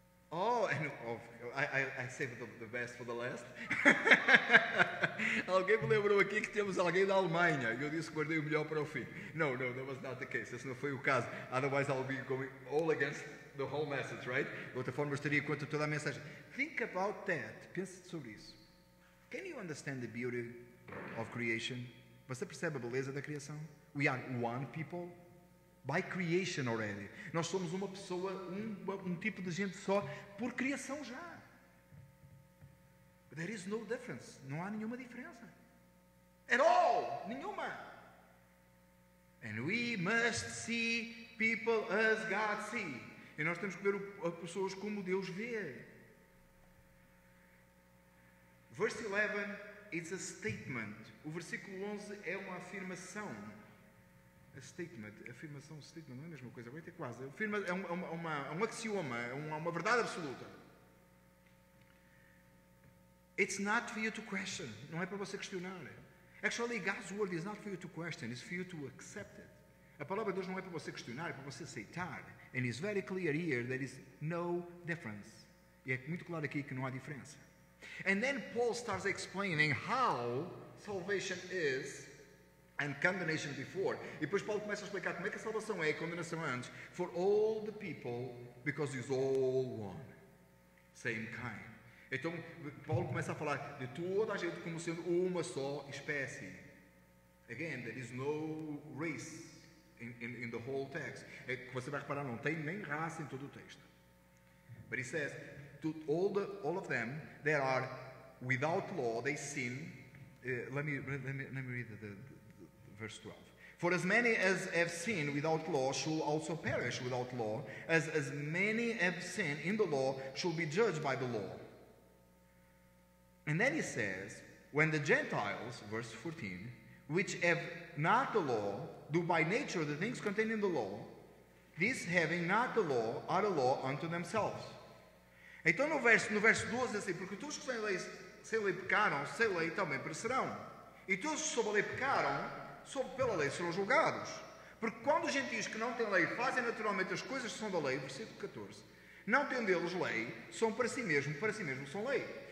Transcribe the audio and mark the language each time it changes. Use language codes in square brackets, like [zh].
[en] Oh, and I saved the best for the last. [pt] Alguém me lembrou aqui que temos alguém da Alemanha. Eu disse que guardei o melhor para o fim. [en] No, no, that was not the case. [pt] Esse não foi o caso. [en] Otherwise, I'll be going all against the whole message, right? [pt] De outra forma, estaria contra toda a mensagem. [en] Think about that. [pt] Pense sobre isso. [en] Can you understand the beauty of creation? [pt] Você percebe a beleza da criação? [en] We are one people. By creation already. [pt] Nós somos uma pessoa, um tipo de gente só, por criação já. [en] There is no difference. [pt] Não há nenhuma diferença. [en] At all. [pt] Nenhuma. [en] And we must see people as God see. [pt] E nós temos que ver as pessoas como Deus vê. [en] Verse 11 is a statement. [pt] O versículo 11 é uma afirmação. A statement, afirmação, statement, não é a mesma coisa, é quase, é um axioma, é uma verdade absoluta. [en] It's not for you to question, [pt] não é para você questionar. [en] Actually, God's word is not for you to question, it's for you to accept it. [pt] A palavra de Deus não é para você questionar, é para você aceitar. [en] And it's very clear here, there is no difference. [pt] E é muito claro aqui que não há diferença. [en] And then Paul starts explaining how salvation is and condemnation before. [pt] E depois Paulo começa a explicar como é que a salvação é e a condenação antes. [en] For all the people, because it's all one. Same kind. [pt] Então, Paulo começa a falar de toda a gente como sendo uma só espécie. [en] Again, there is no race in the whole text. [pt] É que você vai reparar, não tem nem raça em todo o texto. [en] But he says, to all of them, they are without law, they sin. Let me read the verse 12. For as many as have sinned without law shall also perish without law, as many have sinned in the law shall be judged by the law. And then he says, when the Gentiles, verse 14, which have not the law, do by nature the things contained in the law, these having not the law are a law unto themselves. [pt] Então no verso 12 é assim, porque todos que sem lei pecaram, sem lei também perecerão. E todos que sob a lei pecaram, sob pela lei serão julgados. Porque quando os gentios que não têm lei fazem naturalmente as coisas que são da lei, versículo 14, não tendo eles lei, são para si mesmo são lei.